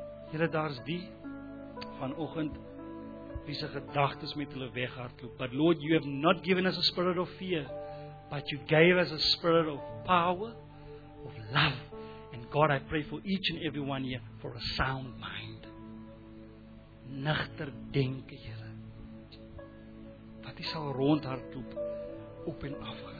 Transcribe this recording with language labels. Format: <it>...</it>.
<af>Here, daar's die vanoggend wie se gedagtes met hulle weghardloop.</af> <en>But Lord, You have not given us a spirit of fear, but You gave us a spirit of power, of love. And God, I pray for each and every one here for a sound mind.</en> <af>Nugter denke, Here. Wat is al rondhardloop op en af.</af>